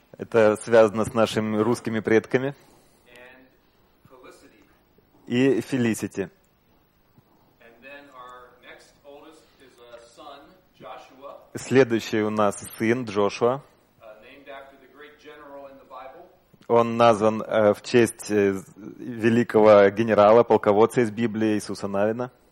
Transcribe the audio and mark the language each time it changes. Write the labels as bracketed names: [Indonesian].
[Russian] Это связано с нашими русскими предками. [English] And Felicity. [Russian] И Felicity. [English] And then our next oldest is a son, Joshua. [Russian] Следующий у нас сын Джошуа. [English] Named after the great general in the Bible. [Russian] Он назван в честь великого генерала, полководца из Библии Иисуса Навина.